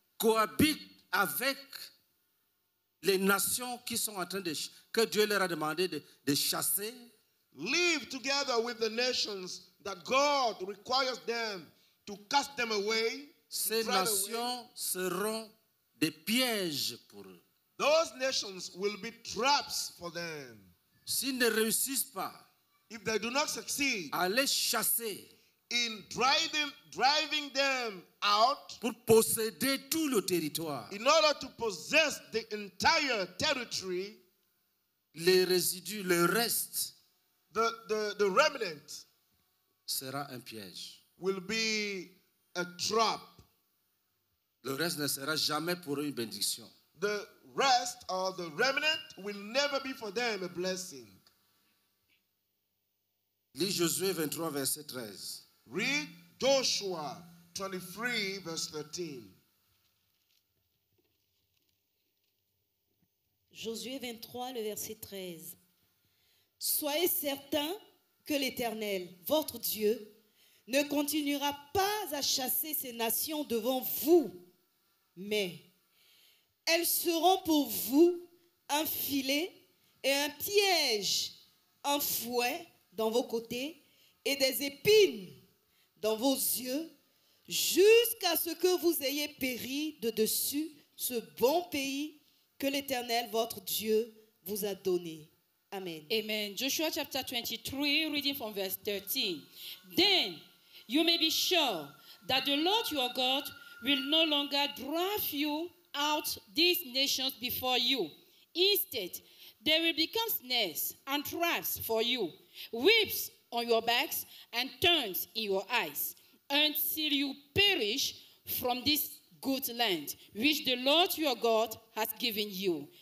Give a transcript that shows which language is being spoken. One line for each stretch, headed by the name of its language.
French: cohabitent avec les nations qui sont en train de, que Dieu leur a demandé de chasser,
English: live together with the nations that God requires them to cast them away.
French: Ces nations seront des pièges pour eux.
English: Those nations will be traps for them.
French: S'ils ne réussissent pas,
English: if they do not succeed,
French: à les chasser,
English: in driving them out,
French: pour posséder tout le territoire,
English: in order to possess the entire territory,
French: les résidus, le reste,
English: The remnant
French: sera un piège.
English: Will be a trap.
French: Le reste ne sera jamais pour eux une bénédiction.
English: The rest or the remnant will never be for them a blessing.
French: Lis Josué 23, verset 13.
English: Read Joshua 23, verse 13.
French: Josué 23, le verset 13. Soyez certains que l'Éternel, votre Dieu, ne continuera pas à chasser ces nations devant vous, mais elles seront pour vous un filet et un piège, un fouet dans vos côtés et des épines dans vos yeux jusqu'à ce que vous ayez péri de dessus ce bon pays que l'Éternel, votre Dieu, vous a donné. Amen.
English: Amen. Joshua chapter 23, reading from verse 13. Then you may be sure that the Lord your God will no longer drive you out these nations before you. Instead, they will become snares and traps for you, whips on your backs and thorns in your eyes, until you perish from this good land, which the Lord your God has given you.